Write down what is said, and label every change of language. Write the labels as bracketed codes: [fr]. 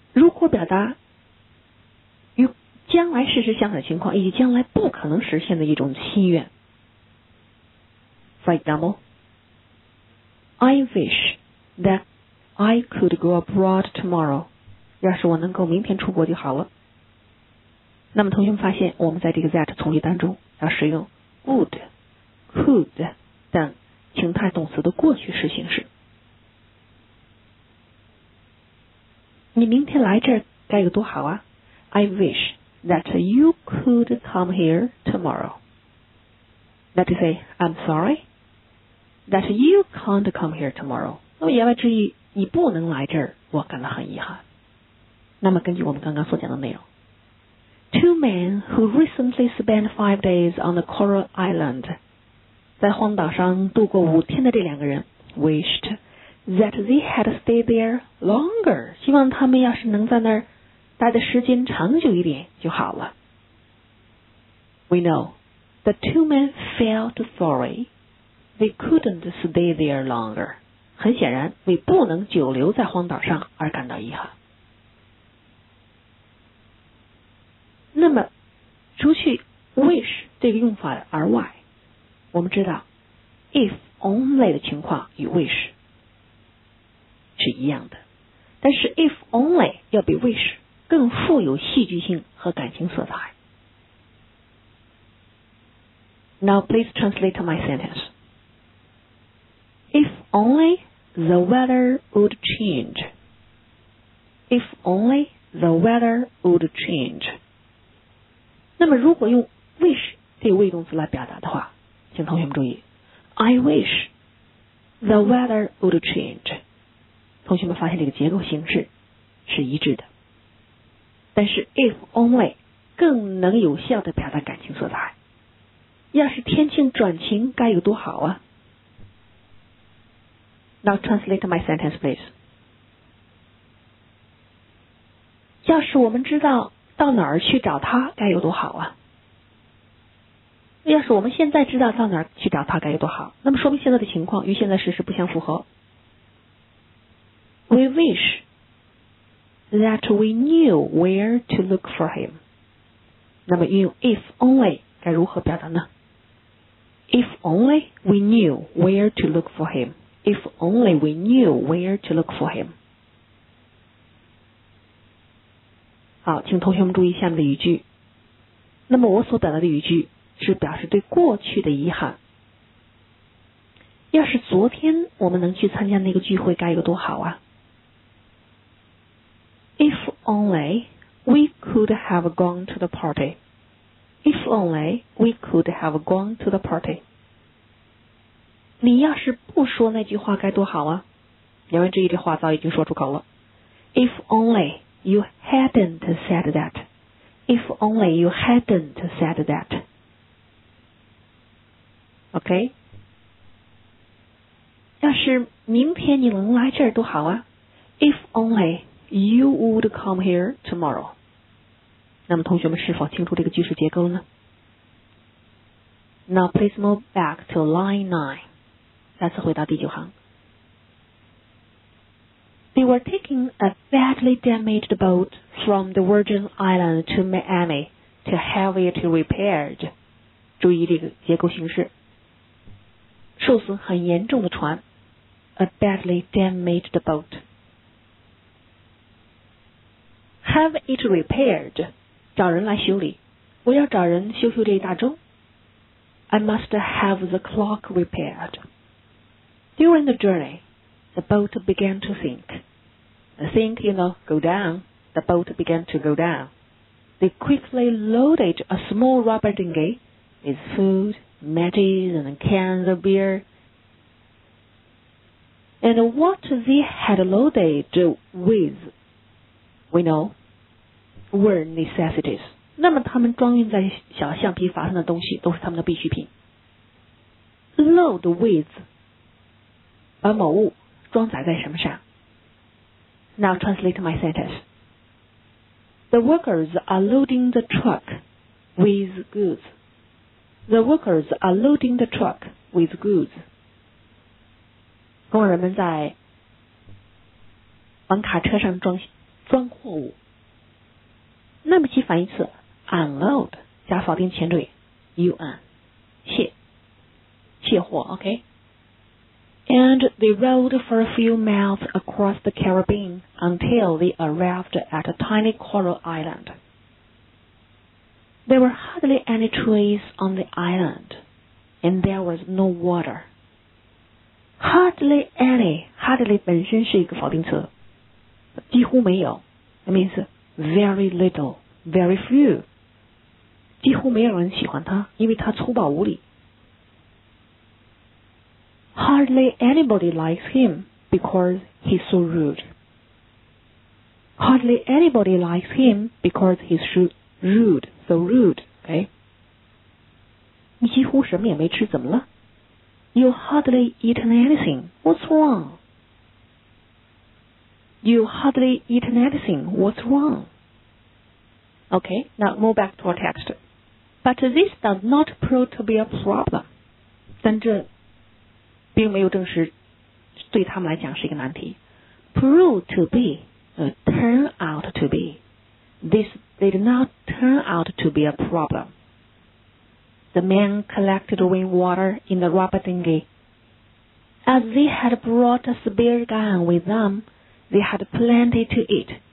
[zh] 或表达与将来事实相反的情况，以及将来不可能实现的一种心愿。 [en] For example, I wish that I could go abroad tomorrow. [zh] 要是我能够明天出国就好了。那么同学们发现，我们在这个 that 从句当中要使用 would、could 等情态动词的过去式形式。你明天来这儿该有多好啊 ！ [en] I wish that you could come here tomorrow. That is, I'm sorry that you can't come here tomorrow. [zh] 那么言外之意，你不能来这儿，我感到很遗憾。那么根据我们刚刚所讲的内容 ， [en] Two men who recently spent 5 days on the Coral Island， [zh] 在荒岛上度过五天的这两个人 [en] wished。 That they had stayed there longer. [zh] 希望他们要是能在那儿待的时间长久一点就好了。 [en] We know the two men felt sorry. They couldn't stay there longer. [zh] 很显然，为不能久留在荒岛上而感到遗憾。那么，除去 wish 这个用法而外，我们知道 if only 的情况与 wish。是一样的，但是 if only 要比 wish 更富有戏剧性和感情色彩。 [en] Now please translate my sentence. If only the weather would change. If only the weather would change. [zh] 那么如果用 wish 这个谓动词来表达的话，请同学们注意 ， [en] I wish the weather would change. [zh] 同学们发现这个结构形式是一致的，但是 if only 更能有效地表达感情色彩。要是天气转晴该有多好啊。 [en] Now translate my sentence please. [zh] 要是我们知道到哪儿去找他该有多好啊。要是我们现在知道到哪儿去找他该有多好，那么说明现在的情况与现在事实不相符合。 [en] We wish that we knew where to look for him. [zh] 那么用 if only 该如何表达呢？ [en] If only we knew where to look for him. If only we knew where to look for him. [zh] 好，请同学们注意下面的语句。那么我所表达的语句是表示对过去的遗憾。要是昨天我们能去参加那个聚会该有多好啊。 [en] If only we could have gone to the party. If only we could have gone to the party. [zh] 你要是不说那句话该多好啊！言外之意，这话早已经说出口了。 [en] If only you hadn't said that. If only you hadn't said that. OK? [zh] 要是明天你能来这儿多好啊！ [en] If only... You would come here tomorrow. [zh] 那么同学们是否清楚这个句式结构了呢？ [en] Now please move back to line 9. [zh] 再次回到第九行。 [en] They were taking a badly damaged boat from the Virgin Island to Miami to have it repaired. [zh] 注意这个结构形式。受损很严重的船。 [en] A badly damaged boat. Have it repaired. [zh] 找人来修理。我要找人修修这一大钟。 [en] I must have the clock repaired. During the journey, the boat began to sink. Sink, you know, go down. The boat began to go down. They quickly loaded a small rubber dinghy with food, matches, and cans of beer. And what they had loaded with, we know,were necessities. [zh] 那么他们装运在小橡皮筏上的东西都是他们的必需品。 Load with 把某物装载在什么上。 [en] Now translate my sentence. The workers are loading the truck with goods. The workers are loading the truck with goods. [zh] 工人们在往卡车上装货物。那么记反义词 unload 加否定前缀 un 卸货 OK。 [en] And they rowed for a few miles across the Caribbean until they arrived at a tiny coral island. There were hardly any trees on the island and there was no water. Hardly any, hardly [zh] 本身是一个否定词，几乎没有 [en] that means very littleVery few. [zh] 几乎没有人喜欢他，因为他粗暴无礼。 [en] Hardly anybody likes him because he's so rude. Hardly anybody likes him because he's rude, so rude. Okay. [zh] 你几乎什么也没吃，怎么了？ [en] You hardly eaten anything. What's wrong? You hardly eaten anything. What's wrong? Okay, now move back to our text. But this does not prove to be a problem. [zh] 但这并没有证实对他们来讲是一个难题。 [en] Prove to be,turn out to be. This did not turn out to be a problem. The men collected rainwater in the Wabatengi. As they had brought a spear gun with them, they had plenty to eat.